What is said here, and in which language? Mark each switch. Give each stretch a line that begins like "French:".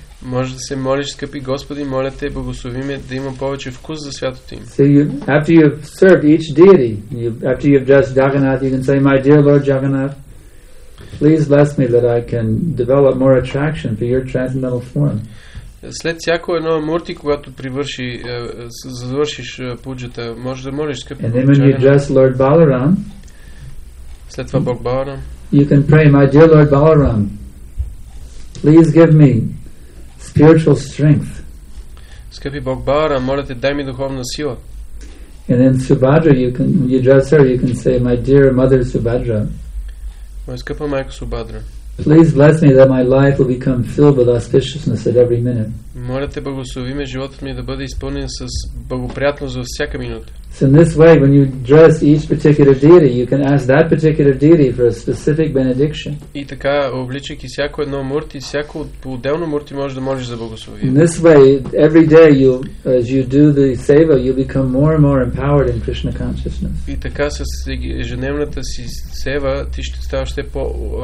Bulgarian: Може да се молиш, скъпи Господи, моля те, благослови ме да има повече вкус за святото име.
English: So you, after you've served each deity, after you've just Jagannath, you can say, my dear Lord Jagannath, please bless me that I can develop more attraction for your transcendental form.
Bulgarian: След всяко едно мурти, когато привърши, завършиш пуджата, може да молиш, скъпи Господи.
English: And then when you address Lord Balaram,
Bulgarian: след това Бог Баларам,
English: you can pray, my dear Lord Balaram, please give me spiritual strength.
Bulgarian: Скъпи Бог Баларам, моля те, дай ми духовна сила.
English: And then Subhadra, you address her, you can say, my dear Mother Subhadra,
Bulgarian: моя скъпа майка Субадра,
English: please bless me that my life will become filled with auspiciousness at every minute.
Bulgarian: Моля те, благослови ме, животът ми да бъде изпълнен с благоприятност за всяка минута.
English: So in this way, when you address each particular deity, you can ask that particular deity for a specific benediction.
Bulgarian: И така, обличайки всяко едно мурти, всяко поотделно мурти може да можеш за благослови.
English: In this way, every day you, as you do the seva, you become more and more empowered in Krishna consciousness.
Bulgarian: И така, с ежедневната си сева, ти ще ставаш все по...